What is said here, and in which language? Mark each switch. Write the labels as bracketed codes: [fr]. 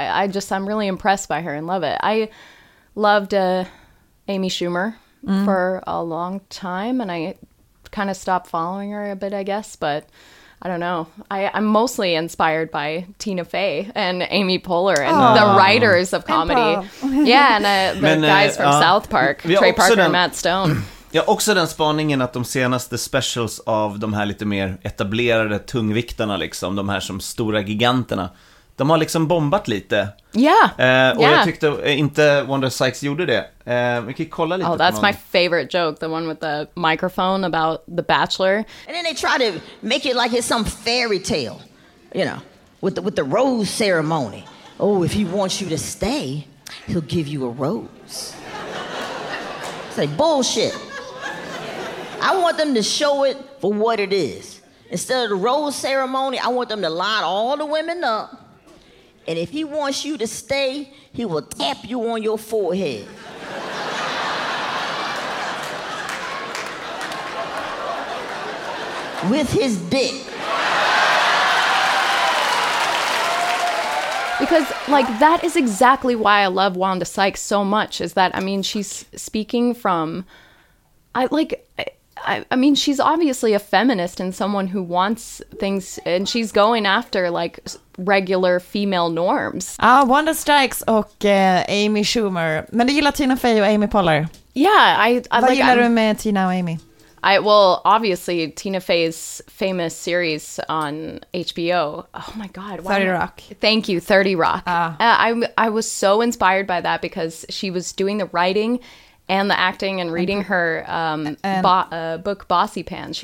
[en] I just, I'm really impressed by her and love it. I loved, Amy Schumer for a long time and I kind of stopped following her a bit, I guess, but I don't know. I'm mostly inspired by Tina Fey and Amy Poehler and the writers of comedy. Yeah, and the guys from South Park, Trey Parker and Matt Stone. [sv] Ja, också den spaningen att de senaste specials av de här lite mer etablerade tungviktarna, liksom, de här som stora giganterna, de har liksom bombat lite. Och jag tyckte inte Wanda Sykes gjorde det. Vi kan kolla lite. [en] Oh, that's my favorite joke, the one with the microphone about The Bachelor. And then they try to make it like it's some fairy tale, you know, with the rose ceremony. Oh, if he wants you to stay, he'll give you a rose. Say like bullshit. I want them to show it for what it is. Instead of the rose ceremony, I want them to line all the women up. And if he wants you to stay, he will tap you on your forehead. With his dick. Because, like, that is exactly why I love Wanda Sykes so much, is that, I mean, she's speaking from, I mean, she's obviously a feminist and someone who wants things, and she's going after, like, regular female norms. [sv] Ah, Wanda Sykes och Amy Schumer. Men du gillar Tina Fey och Amy Poehler? [en] Yeah, I [sv] like... Vad gillar du med Tina och Amy? [en] Well, obviously, Tina Fey's famous series on HBO. Oh, my God. Why? 30 Rock. Thank you, 30 Rock. I was so inspired by that because she was doing the writing and the acting and reading her book, Bossy Pants.